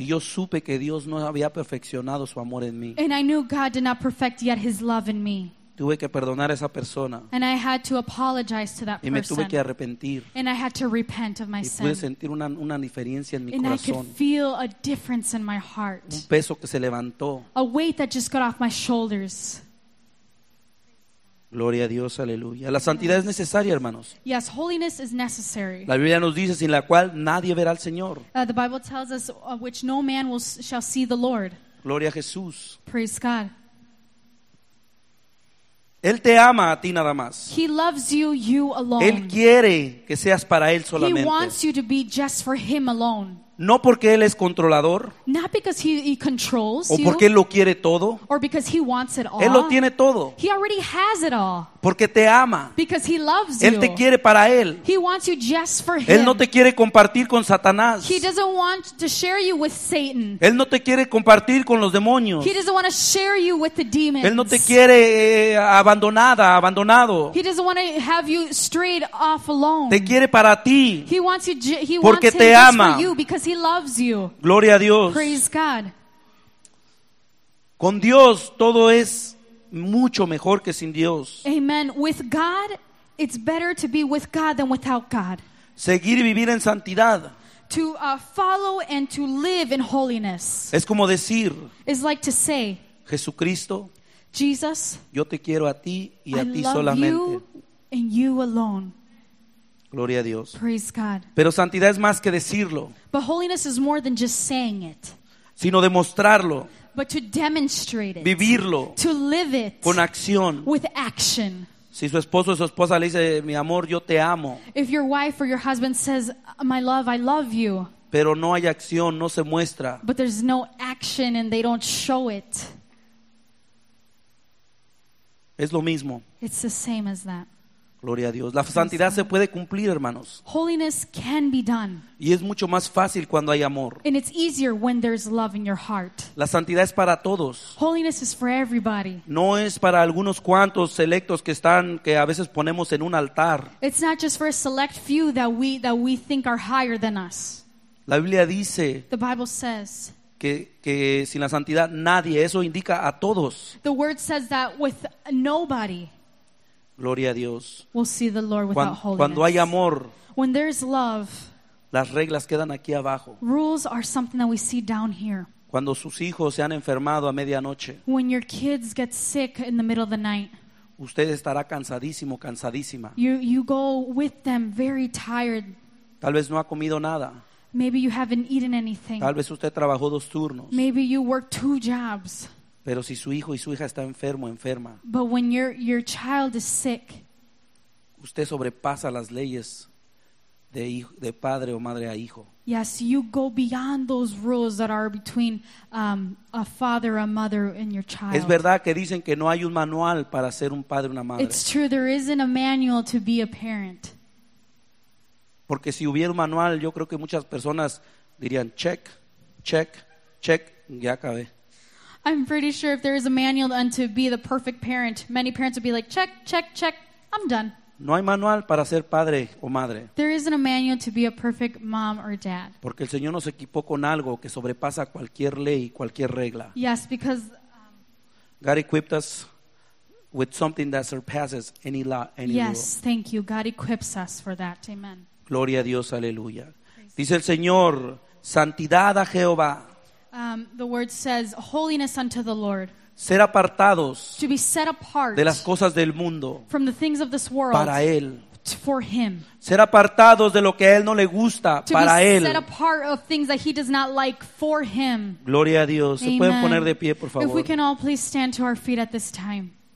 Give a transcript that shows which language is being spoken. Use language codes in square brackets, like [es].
[es] Y yo supe que Dios no había perfeccionado su amor en mí. [en] And I knew God did not perfect yet his love in me. [es] Tuve que perdonar a esa persona. [en] And I had to apologize to that person. [es] Y me tuve que arrepentir. [en] And I had to repent of my [es] y [en] sin. [es] Pude sentir una diferencia en mi [en] and [es] corazón. [en] I could feel a difference in my heart. [es] Un peso que se levantó. [en] A weight that just got off my shoulders. [es] Gloria a Dios, aleluya. La santidad es necesaria, hermanos. [en] Yes, holiness is necessary. [es] La Biblia nos dice, sin la cual nadie verá al Señor. [en] The Bible tells us, which no man will, shall see the Lord. [es] Gloria a Jesús. [en] Praise God. [es] Él te ama a ti nada más. [en] He loves you, you alone. [es] Él quiere que seas para Él solamente. [en] He wants you to be just for Him alone. [es] No porque Él es controlador. [en] Not because he controls [es] o porque [en] you, [es] Él lo quiere todo. [en] Or because he wants it all. [es] Él lo tiene todo. [en] He already has it all. [es] Porque te ama. [en] Because he loves [es] él [en] you. [es] Te quiere para Él. [en] He wants you just for [es] él [en] him. [es] Él no te quiere compartir con Satanás. [en] He doesn't want to share you with Satan. [es] Él no te quiere compartir con los demonios. [en] He doesn't want to share you with the demons. [es] Él no te quiere abandonada, abandonado. [en] He doesn't want to have you strayed off alone. [es] Te quiere para ti. [en] He wants you he [es] porque [en] wants [es] te ama. [en] For you because he loves you. [es] Gloria a Dios. [en] Praise God. [es] Con Dios todo es mucho mejor que sin Dios. [en] Amen. With God, it's better to be with God than without God. [es] Seguir y vivir en santidad. [en] To follow and to live in holiness. [es] Es como decir. [en] It's like to say. [es] Jesucristo. [en] Jesus. [es] Yo te quiero a ti y a [en] I [es] ti [en] love [es] solamente. [en] You and you alone. [es] Gloria a Dios. [en] Praise God. [es] Pero santidad es más que decirlo. [en] But holiness is more than just saying it. [es] Sino demostrarlo. [en] But to demonstrate it. [es] Vivirlo. [en] To live it. [es] Con acción. [en] With action. [es] Si su esposo o su esposa le dice, mi amor, yo te amo. [en] If your wife or your husband says, my love, I love you. [es] Pero no hay acción, no se muestra. [en] But there's no action and they don't show it. [es] Es lo mismo. [en] It's the same as that. [es] Gloria a Dios. La santidad se puede cumplir, hermanos. [en] Holiness can be done. [es] Y es mucho más fácil cuando hay amor. [en] And it's easier when there's love in your heart. [es] La santidad es para todos. [en] Holiness is for everybody. [es] No es para algunos cuantos selectos que están, que a veces ponemos en un altar. [en] It's not just for a select few that we think are higher than us. [es] La Biblia dice. [en] The Bible says. [es] Que sin la santidad nadie. Eso indica a todos. [en] The word says that with nobody. [es] Gloria a Dios. [en] We'll see the Lord without holiness. [es] Cuando hay amor, [en] when there's love, [es] las reglas quedan aquí abajo. [en] Rules are something that we see down here. [es] Cuando sus hijos se han enfermado a medianoche, [en] when your kids get sick in the middle of the night, [es] usted estará cansadísimo, cansadísima. [en] You go with them very tired. [es] Tal vez no ha comido nada. [en] Maybe you haven't eaten anything. [es] Tal vez usted trabajó dos turnos. [en] Maybe you worked two jobs. [es] Pero si su hijo y su hija está enfermo, enferma. [en] But when your child is sick. [es] Usted sobrepasa las leyes de padre o madre a hijo. [en] Yes, you go beyond those rules that are between a father, a mother, and your child. [es] Es verdad que dicen que no hay un manual para ser un padre o una madre. [en] It's true, there isn't a manual to be a parent. [es] Porque si hubiera un manual, yo creo que muchas personas dirían, [en] check, check, check, [es] ya acabé. [en] I'm pretty sure if there is a manual and to be the perfect parent, many parents would be like, check, check, check, I'm done. [es] No hay manual para ser padre o madre. [en] There isn't a manual to be a perfect mom or dad. [es] Porque el Señor nos equipó con algo que sobrepasa cualquier ley, cualquier regla. [en] Yes, because God equipped us with something that surpasses any law. Yes, thank you. God equips us for that. Amen. [es] Gloria a Dios, aleluya. Dice el Señor, santidad a Jehová. [en] The word says, holiness unto the Lord. [es] Ser apartados. [en] To be set apart. [es] De las cosas del mundo. [en] From the things of this world. [es] Para Él. [en] For Him. [es] Ser apartados de lo que a Él no le gusta. [en] To [es] para Él. [en] To be set apart of things that He does not like for Him. [es] Gloria a Dios. [en] Amen. [es] Se pueden poner de pie, por favor. [en] If we can all please stand to our feet at this time.